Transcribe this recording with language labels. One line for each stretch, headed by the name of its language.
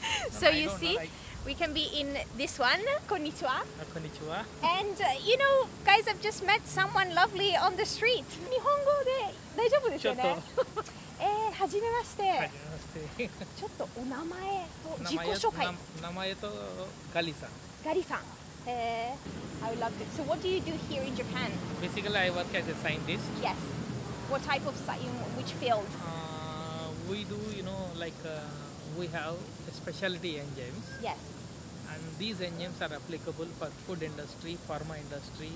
English: So you see, we can be in this one.
Japanese: Konnichiwa. Konnichiwa.
English: And you know, guys, I've just met someone lovely on the street.
Japanese: 日本語で大丈夫ですよね？はじめまして。はじめまして。ちょっとお名前と自己紹介。名前とガリさん。ガリさん。
English: I loved it. So what do you do here in Japan? Basically, I work as a scientist. Yes. What type of science, in which field? We do, you know, we have specialty enzymes. Yes. And these enzymes are applicable for food industry, pharma industry.